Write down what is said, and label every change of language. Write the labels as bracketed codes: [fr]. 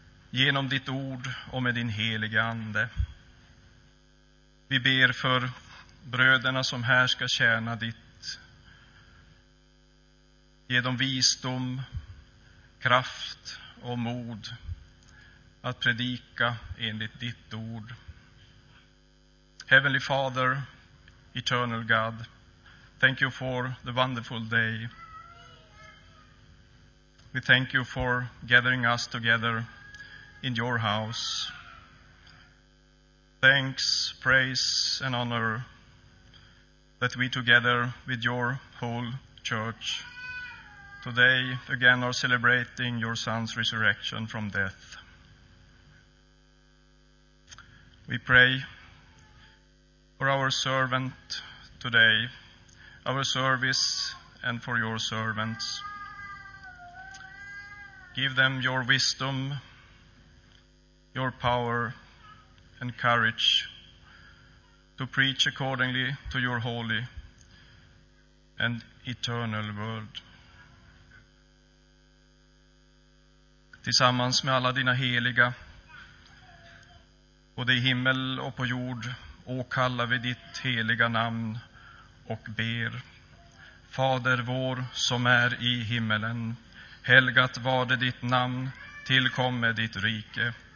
[sv] Genom ditt ord och med din heliga ande. Vi ber för bröderna som här ska tjäna ditt. Ge dem visdom, kraft och mod att predika enligt ditt ord. [en] Heavenly Father, Eternal God, thank you for the wonderful day. We thank you for gathering us together in your house. Thanks, praise and honor that we together with your whole church today again are celebrating your son's resurrection from death. We pray for our servant today, our service, and for your servants. Give them your wisdom, your power, and courage to preach accordingly to your holy and eternal word. [sv] Tillsammans med alla dina heliga, både i himmel och på jord, åkallar vi ditt heliga namn och ber. Fader vår som är i himmelen, helgat var det ditt namn, tillkomme ditt rike.